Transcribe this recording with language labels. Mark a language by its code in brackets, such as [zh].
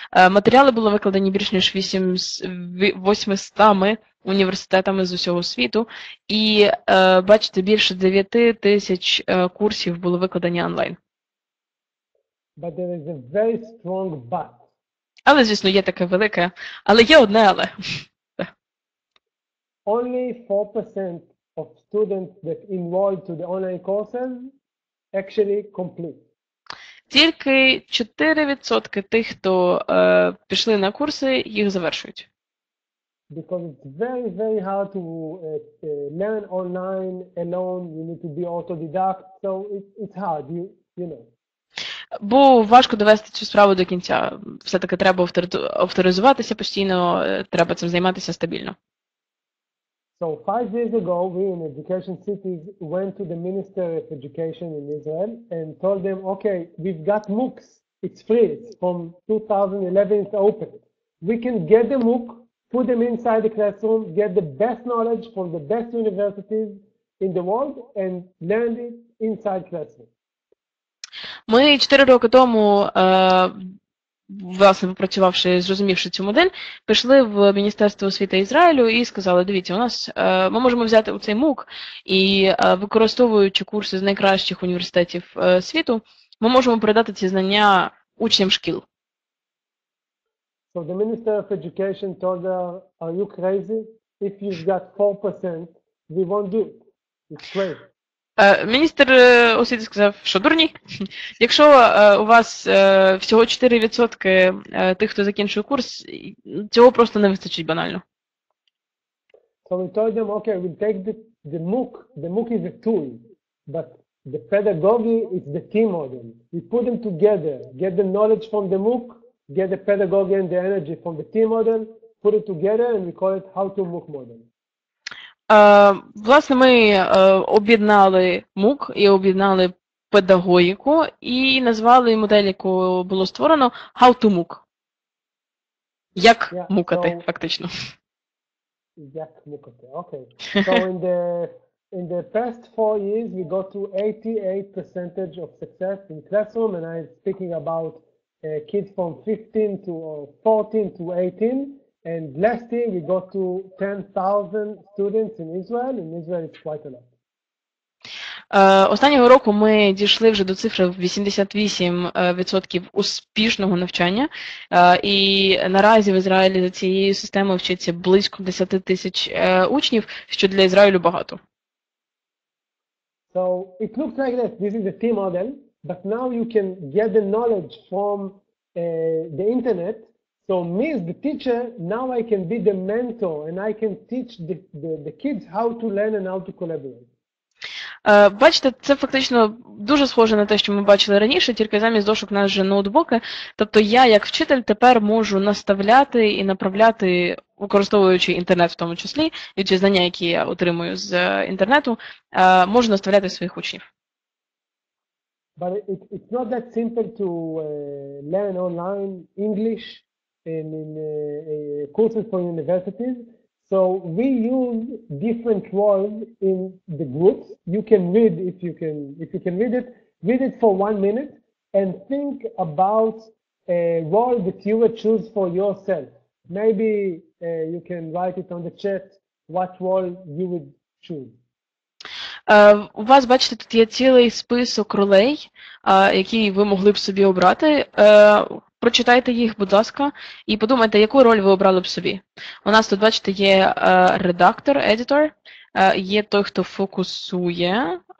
[uk] Матеріали були викладені більш ніж 800 університетами з усього світу. І бачите, більше 9 тисяч курсів було викладені онлайн. [en] But there is a very strong but. [uk] Але, звісно, є таке велике, але є одне але. [en] Only 4% of students that enrolled to the online courses actually complete. [uk] Тільки 4% тих, хто пішли на курси, їх завершують. [en] Because it's very, very hard to learn online alone, you need to be autodidact, so it's hard, you know. [uk] Бо важко довести цю справу до кінця. Все-таки треба авторизуватися постійно, треба цим займатися стабільно. [en] So 5 years ago we in Education Cities went to the Minister of Education in Israel and told them, "Okay, we've got MOOCs. It's free. It's from 2011 it's open. We can get the MOOC, put them inside the classroom, get the best knowledge from the best universities in the world and learn it inside classroom." [uk] Ми 4 роки тому, власне, попрацювавши, зрозумівши цю модель, пішли в Міністерство освіти Ізраїлю і сказали, дивіться, у нас, ми можемо взяти у цей MOOC і, використовуючи курси з найкращих університетів світу, ми можемо передати ці знання учням шкіл. [en] So the Minister of Education told her, are you crazy? If you've got 4%, we won't do it. It's crazy. [uk] Міністр освіти сказав, що дурні. Якщо у вас всього 4% тих, хто закінчує курс, цього просто не вистачить банально. [en] So we told them, okay, we'll take the MOOC. The MOOC is a tool, but the pedagogy is the team model. We put them together, get the knowledge from the MOOC, get the pedagogy and the energy from the team model, put it together and we call it how to MOOC model. [uk] Власне, ми об'єднали MOOC і об'єднали педагогіку і назвали модель, яку було створено, How to MOOC. Як yeah, мукати, so, фактично. Як мукати, окей. [en] So in the past 4 years we got to 88% of success in classroom and I'm speaking about kids from 15 to 14 to 18. And last year we got to 10,000 students in Israel, and Israel is quite a lot. [uk] Останнього року ми дійшли вже до цифри 88% успішного навчання, і наразі в Ізраїлі за цією системою вчиться близько 10 тисяч учнів, що для Ізраїлю багато. [en] So it looks like that. This is the team model, but now you can get the knowledge from the internet. So me as the teacher, now I can be the mentor and I can teach the kids how to learn and how to collaborate. [uk] Бачите, це фактично дуже схоже на те, що ми бачили раніше, тільки замість дошок у нас вже ноутбуки. Тобто я як вчитель тепер можу наставляти і направляти, використовуючи інтернет в тому числі, і ті знання, які я отримую з інтернету, можу наставляти своїх учнів. [en] But it's not that simple to learn online English in courses for universities. So we use different roles in the groups. You can read if you can read it. Read it for 1 minute and think about a role that you would choose for yourself. Maybe you can write it on the chat what role you would choose. [uk] У вас, бачите, тут є цілий список ролей, які ви могли б собі обрати. Прочитайте їх, будь ласка, і подумайте, яку роль ви обрали б собі. У нас тут, бачите, є редактор, editor, є той, хто фокусує.